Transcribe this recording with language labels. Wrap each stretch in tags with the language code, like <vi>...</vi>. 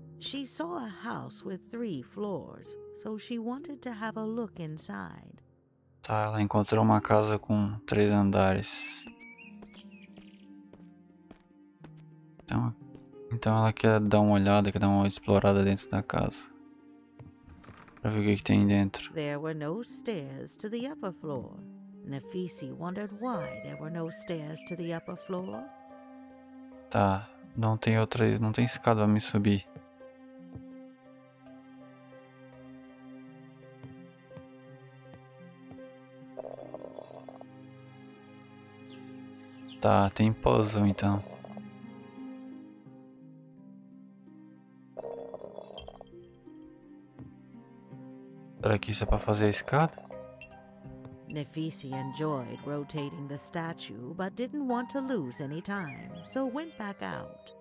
<en>She saw a house with three floors, so she wanted to have a look inside.</en> <pt>Tá, ela encontrou uma casa com três andares. Então ela quer dar uma olhada, quer dar uma explorada dentro da casa. Pra ver o que tem dentro.</pt> <en>There were no stairs to the upper floor. Nephi's wondered why there were no stairs to the upper floor.</en> <pt>Tá. Não tem outra, não tem escada para me subir. Tá, tem puzzle então. Será que isso é para fazer a escada?</pt> <en>Nephi's enjoyed rotating the statue, but didn't want to lose any time, so went back out.</en>